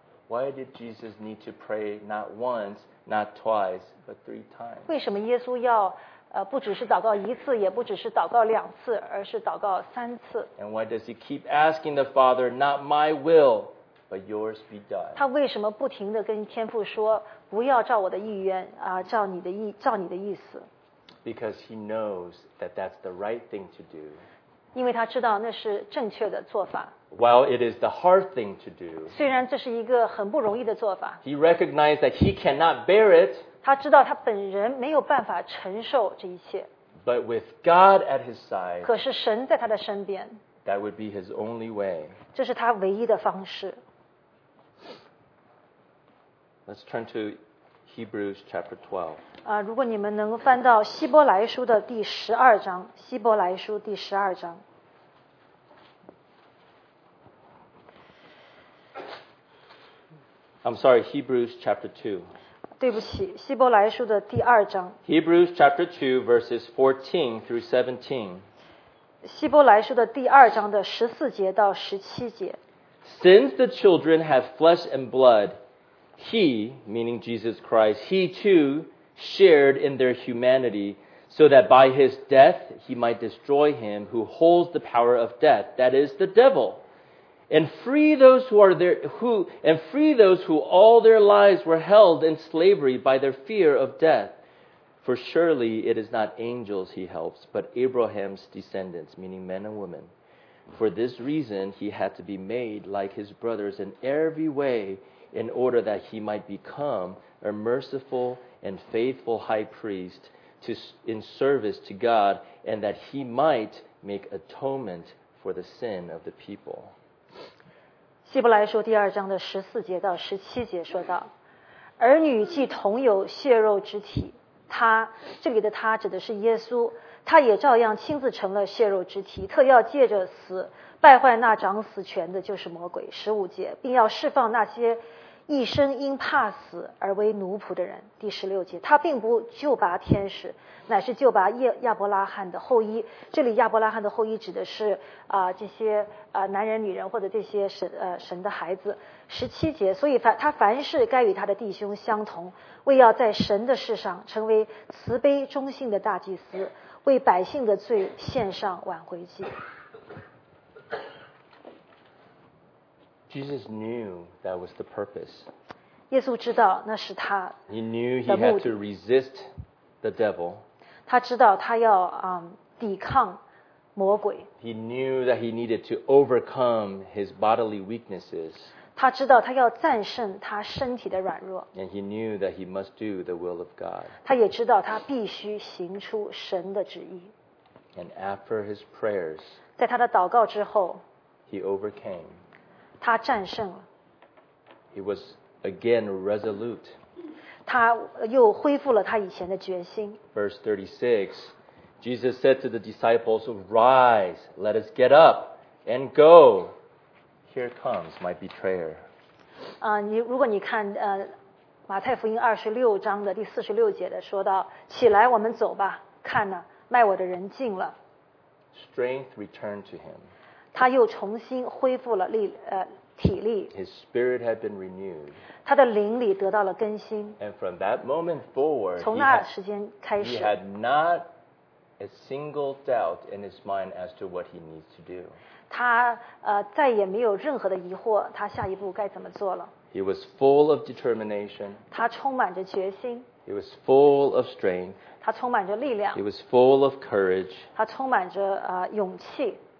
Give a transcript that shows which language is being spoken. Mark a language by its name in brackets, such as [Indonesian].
[English] Why did Jesus need to pray not once, not twice, but three times? [Chinese] 为什么耶稣要、不只是祷告一次，也不只是祷告两次，而是祷告三次？ [English] And why does he keep asking the Father, not my will, but yours be done? [Chinese] 他为什么不停地跟天父说，不要照我的意愿、照你的意思？ [English] Because he knows that that's the right thing to do. [Chinese] 因为他知道那是正确的做法。 [English] While it is the hard thing to do, [Chinese] 虽然这是一个很不容易的做法， [English] he recognized that he cannot bear it. [Chinese] 他知道他本人没有办法承受这一切。 [English] But with God at his side, [Chinese] 可是神在他的身边， [English] that would be his only way. [Chinese] 这是他唯一的方式。 [English] Let's turn to Hebrews chapter 12. [Chinese] 如果你们能翻到希伯来书的第十二章，希伯来书第十二章。 [English] I'm sorry, Hebrews chapter 2. [Chinese] 对不起，希伯来书的第二章。 [English] Hebrews chapter 2, verses 14 through 17. [Chinese] 希伯来书的第二章的十四节到十七节。 [English] Since the children have flesh and blood, he, meaning Jesus Christ, he too shared in their humanity, so that by his death he might destroy him who holds the power of death, that is the devil. And free those who all their lives were held in slavery by their fear of death. For surely it is not angels he helps, but Abraham's descendants, meaning men and women. For this reason he had to be made like his brothers in every way in order that he might become a merciful and faithful high priest in service to God and that he might make atonement for the sin of the people. [Chinese] 希伯来书第二章的十四节到十七节说道，儿女既同有血肉之体，他这里的他指的是耶稣，他也照样亲自成了血肉之体，特要借着死败坏那掌死权的，就是魔鬼。十五节，并要释放那些一生因怕死而为奴仆的人。第十六节，他并不救拔天使，乃是救拔亚伯拉罕的后裔。这里亚伯拉罕的后裔指的是这些男人女人或者这些神的孩子。十七节，所以他凡事该与他的弟兄相同，为要在神的事上成为慈悲忠信的大祭司，为百姓的罪献上挽回祭。 [English] Jesus knew that was the purpose. [Chinese] 耶稣知道那是他的目的。 [English] He knew he had to resist the devil. [Chinese] 他知道他要抵抗魔鬼。 [English] He knew that he needed to overcome his bodily weaknesses. [Chinese] 他知道他要战胜他身体的软弱。 [English] And he knew that he must do the will of God. [Chinese] 他也知道他必须行出神的旨意。 [English] And after his prayers, [Chinese] 在他的祷告之后 [English] he overcame. [Chinese] 他战胜了。 [English] He was again resolute. [Chinese] 他又恢复了他以前的决心。 [English] Verse 36, Jesus said to the disciples, "Rise, let us get up and go. Here comes my betrayer." [Chinese] 如果你看马太福音二十六章的第四十六节的说到，起来，我们走吧。看呐，卖我的人进了。 [English] Strength returned to him. [Chinese] 他又重新恢复了体力。 [English] His spirit had been renewed. [Chinese] 他的灵里得到了更新。 [English] And from that moment forward, [Chinese] 从那时间开始 [English] he had not a single doubt in his mind as to what he needs to do. [Chinese] 他再也没有任何的疑惑，他下一步该怎么做了。 [English] He was full of determination. [Chinese] 他充满着决心。 [English] He was full of strength. [Chinese] 他充满着力量。 [English] He was full of courage. [Chinese] 他充满着勇气。